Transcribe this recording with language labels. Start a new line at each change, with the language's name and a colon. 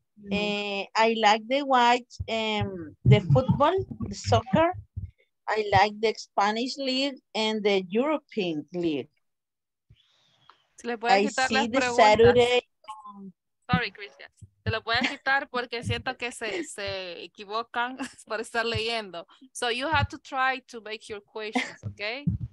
English: I like to watch the football, the soccer. I like the Spanish league and the European league.
Spanish: Le voy a quitar las preguntas. Saturday. Sorry, Christian. Te lo voy a quitar porque siento que se equivocan por estar leyendo.
English: So you have to try to make your questions, okay?